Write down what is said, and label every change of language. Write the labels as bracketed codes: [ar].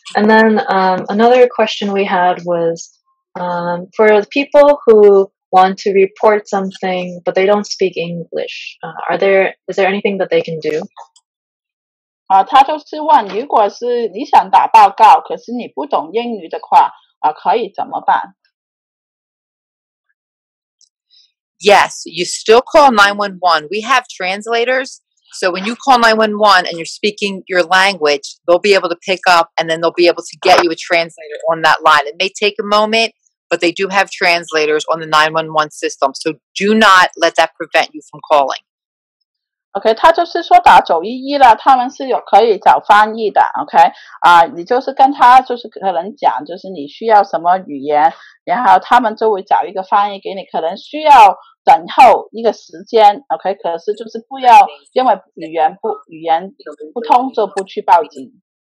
[en] And then another question we had was for people who want to report something but they don't speak English, is there anything that they can do? [zh] 他就是问，如果是你想打报告，可是你不懂英语的话，可以怎么办？ [en] Yes, you still call 911. We have translators. So when you call 911 and you're speaking your language, they'll be able to pick up and then they'll be able to get you a translator on that line. It may take a moment, but they do have translators on the 911 system. So do not let that prevent you from calling. [zh] Okay, 他就是说打911了，他们是可以找翻译的，OK？你就是跟他就是可能讲，就是你需要什么语言，然后他们就会找一个翻译给你，可能需要等候一个时间，OK？可是就是不要因为语言不通就不去报警。